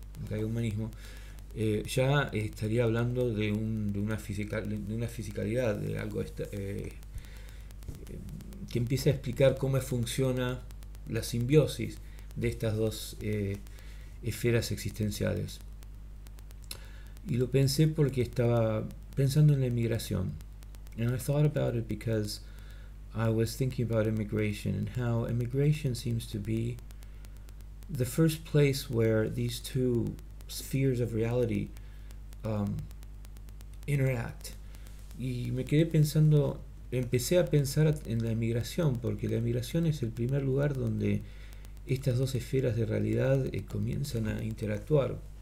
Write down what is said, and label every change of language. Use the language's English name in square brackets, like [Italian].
[Spanish] el humanismo, ya estaría hablando de una fisicalidad, de algo que empieza a explicar cómo funciona la simbiosis de estas dos esferas existenciales. Y lo pensé porque estaba pensando en la inmigración. [English] And I thought about it because I was thinking about immigration and how immigration seems to be the first place where these two spheres of reality interact. [Spanish] Y me quedé pensando, empecé a pensar en la inmigración, porque la inmigración es el primer lugar donde estas dos esferas de realidad comienzan a interactuar.